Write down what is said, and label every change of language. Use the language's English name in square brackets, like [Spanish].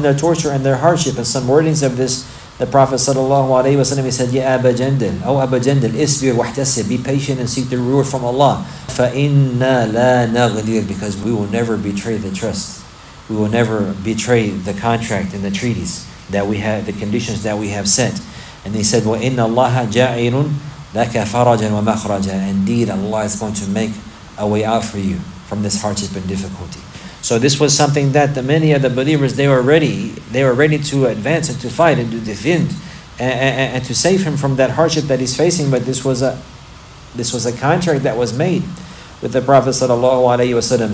[English] And some wordings of this, the Prophet sallallahu alayhi wa sallam, he said, Ya Abu Jandal, O Abu Jandal, [Arabic] isbir wahtasib, [English] be patient and seek the reward from Allah. [Arabic] Fa'inna la naghdir, [English] because we will never betray the trust. We will never betray the contract and the treaties that we have, the conditions that we have set. And he said, [Arabic] وَإِنَّ اللَّهَ جَعِيرٌ لَكَ فَرَجًا وَمَخْرَجًا. [English] Indeed, Allah is going to make a way out for you from this hardship and difficulty. So this was something that the many of the believers, they were ready to advance and to fight and to defend and to save him from that hardship that he's facing. But this was a contract that was made with the Prophet sallallahu alayhi wa sallam.